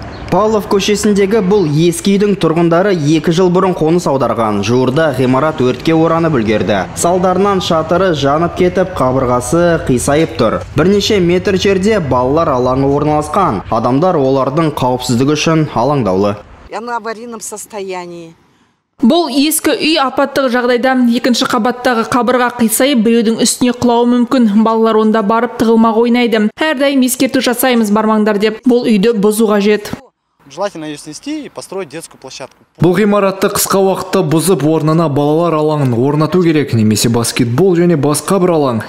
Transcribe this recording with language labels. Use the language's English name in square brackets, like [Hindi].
[Kazakh] Павлов көшесіндегі бұл ескі үйдің тұрғындары 2 жыл бұрын қоныс аударған. Жуырда ғимарат өртке оранып үлгерді. Салдарынан шатыры жанып кетіп, қабырғасы қисайып тұр. Бірнеше метр жерде балалар алаңы орналасқан. Адамдар олардың қауіпсіздігі үшін алаңдаулы. [Russian] Она в аварийном состоянии. [Kazakh] Бұл ескі үй апаттық жағдайда екінші қабаттағы қабырға қисайып, біреудің үстіне құлауы мүмкін. Балалар онда барып тығылмақ ойнайды. Әрдайым ескерту жасаймыз, бармаңдар деп. Бұл үйді бұзу қажет. Бұл ғимаратты қысқа уақытта бұзып, орнына балалар алаңын орнату керек, немесе баскетбол және басқа бір алаң.